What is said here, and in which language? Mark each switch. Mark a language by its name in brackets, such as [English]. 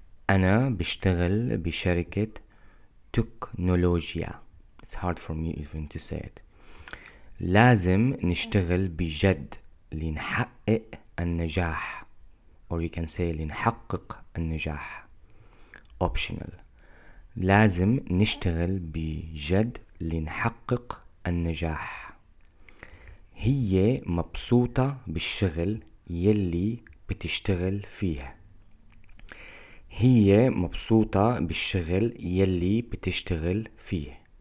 [Arabic] أنا بشتغل بشركة تكنولوجيا. [English] It's hard for me even to say it. [Arabic] لازم نشتغل بجد لنحقق النجاح. [English] Or you can say [Arabic] لنحقق النجاح. [English] Optional. [Arabic] لازم نشتغل بجد لنحقق النجاح. هي مبسوطة بالشغل يلي بتشتغل فيه. هي مبسوطة بالشغل يلي بتشتغل فيه.